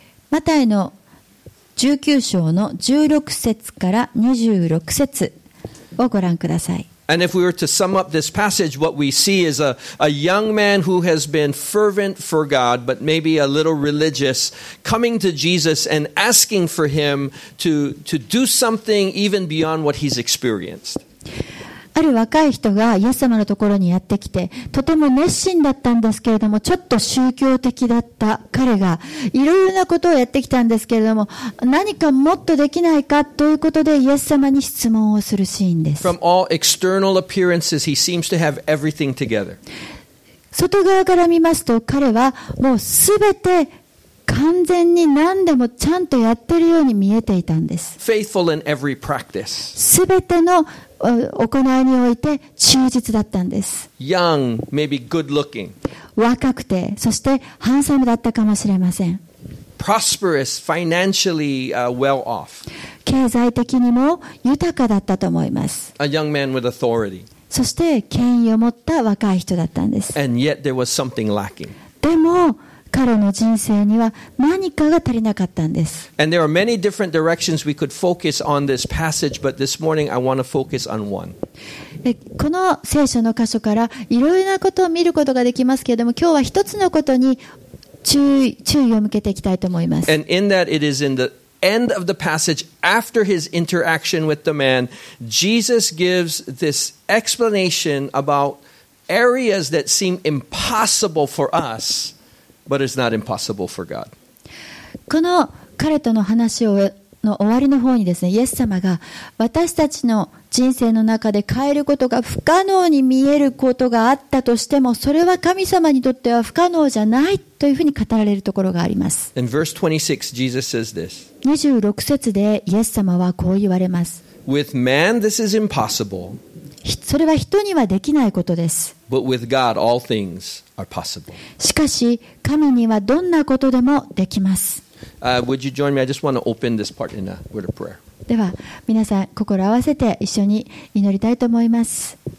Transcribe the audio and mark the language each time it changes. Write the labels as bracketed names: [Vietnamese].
[Japanese] マタイの19章の16節から26節をご覧ください。 [English] And if we were to sum up this passage, what we see is a young man who has been fervent for God, but maybe a little religious, coming to Jesus and asking for him to do something even beyond what he's experienced. [Japanese] ある若い人がイエス様のところにやってきて、とても熱心だったんですけれども、ちょっと宗教的だった彼がいろいろなことをやってきたんですけれども、何かもっとできないかということでイエス様に質問をするシーンです。 [English] From all external appearances, he seems to have everything together. [Japanese] 外側から見ますと、彼はもうすべて完全に何でもちゃんとやってるように見えていたんです。 [English] Faithful in every practice. [Japanese] すべての行いにおいて忠実だったんです。 [English] Young, maybe good looking. [Japanese] 若くて、そしてハンサムだったかもしれません。 [English] Prosperous, financially, well off. [Japanese] 経済的にも豊かだったと思います。 [English] A young man with authority. [Japanese] そして権威を持った若い人だったんです。 [English] And yet there was something lacking. [Japanese] でも彼の人生には何かが足りなかったんです。 [English] And there are many different directions we could focus on this passage, but this morning I want to focus on one. [Japanese] この聖書の箇所からいろいろなことを見ることができますけれども、今日は一つのことに注意を向けていきたいと思います。 [English] And in that it is in the end of the passage, after his interaction with the man, Jesus gives this explanation about areas that seem impossible for us. But it's not impossible for God. [Japanese] この彼との話の終わりの方にですね、イエス様が私たちの人生の中で変えることが不可能に見えることがあったとしても、それは神様にとっては不可能じゃないというふうに語られるところがあります。 [English] In verse 26, Jesus says this. [Japanese] 26節でイエス様はこう言われます。 [English] With man, this is impossible. [Japanese] それは人にはできないことです。 [English] But with God, all things are possible. [Japanese] しかし、神にはどんなことでもできます。 [English] Would you join me? I just want to open this part in a word of prayer. [Japanese] では、皆さん、心を合わせて一緒に祈りたいと思います。